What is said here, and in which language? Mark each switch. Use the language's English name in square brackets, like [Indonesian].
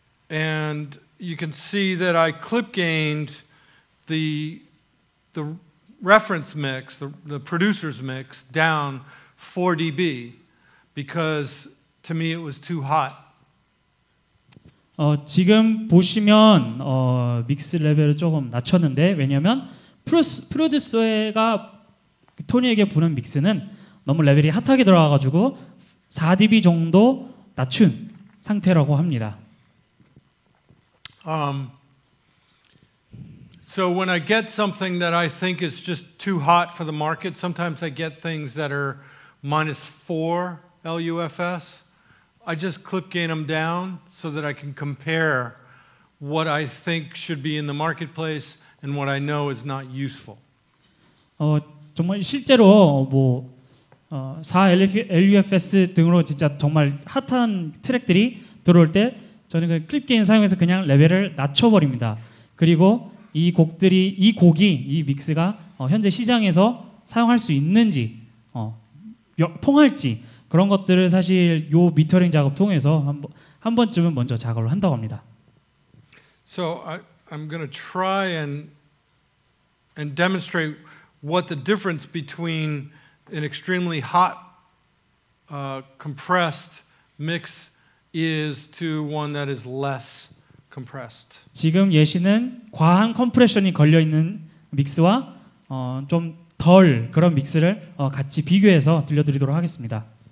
[English] And you can see that I clip gained the reference mix, the producer's mix, down 4 dB because to me it was too hot. [Korean] 지금 보시면 믹스 레벨을 조금 낮췄는데 왜냐면 프로듀서가 토니에게 부른 믹스는 너무 레벨이 핫하게 들어가 가지고 4dB 정도 낮춘 상태라고 합니다. [English] So when I get something that I think is just too hot for the market, sometimes I get things that are -4 LUFS. I just clip gain them down so that I can compare what I think should be in the marketplace and what I know is not useful. [Korean] 정말 실제로 4 LUFS 등으로 진짜 정말 핫한 트랙들이 들어올 때 저는 그 클립 게인 사용해서 그냥 레벨을 낮춰 버립니다. 그리고 이 믹스가 현재 시장에서 사용할 수 있는지 통할지 그런 것들을 사실 요 미터링 작업 통해서 한 번쯤은 먼저 작업을 한다고 합니다. [English] So I'm going to try and demonstrate what the difference between an extremely hot compressed mix is to one that is less compressed. [Korean] 지금 예시는 과한 컴프레션이 걸려 있는 믹스와 좀 덜 그런 믹스를 같이 비교해서 들려드리도록 하겠습니다.